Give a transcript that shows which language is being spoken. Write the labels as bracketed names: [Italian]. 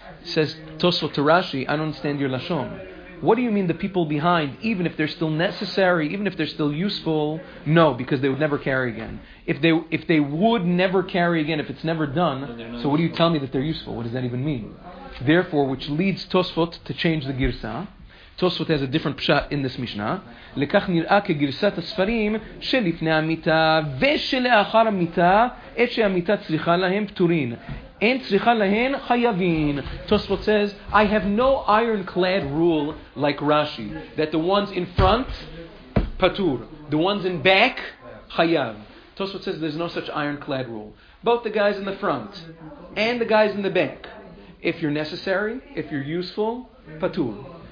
[English] Says Tosfot to Rashi, I don't understand your lashon. What do you mean the people behind, even if they're still necessary, even if they're still useful? No, because they would never carry again. If they would never carry again, if it's never done, so what do you tell me that they're useful? What does that even mean? Therefore, which leads Tosfot to change the girsa. Tosfot has a different pshat in this Mishnah. [Hebrew] לכך נראה כגרסת הספרים שלפני המיטה ושלאחר המיטה את שהמיטה צריכה להם פטורין. אין צריכה להם חייבין. [English] Tosfot says, I have no ironclad rule like Rashi, that the ones in front, patur. The ones in back, chayav. Tosfot says, there's no such ironclad rule. Both the guys in the front and the guys in the back. If you're necessary, if you're useful, patur.